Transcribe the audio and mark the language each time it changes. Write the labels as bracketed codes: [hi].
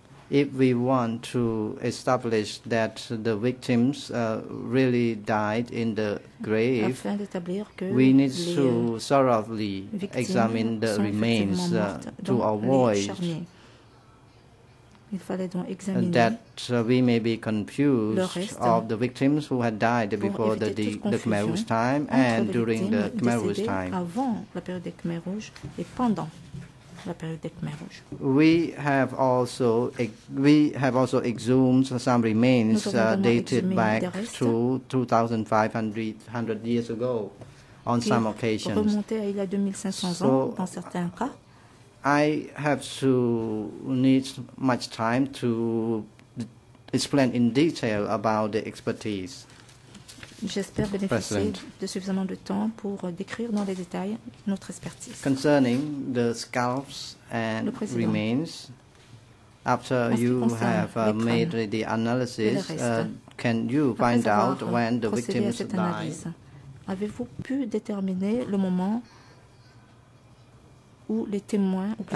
[en] If we want to establish that the victims really died in the grave, we need to thoroughly examine the remains to avoid [fr] il fallait donc examiner [en] that we may be confused of the victims who had died before the Khmer Rouge time and during the Khmer Rouge time. [fr] Avant la période des Khmer Rouge et pendant la période des Khmer Rouge. [en] We have also exhumed some remains dated back to 2,500 years ago on some occasions. [fr] Remontait à il y a 2,500 ans dans certains cas. [en] I have to need much time to explain in detail about the expertise. [fr] J'espère bénéficier President. De suffisamment de temps pour décrire dans les détails notre expertise. [en] Concerning the scalps and remains, after you have made the analysis, can you [fr] après [en] find out when the victims died? [fr] Avez-vous pu déterminer le moment où les témoins, ou plutôt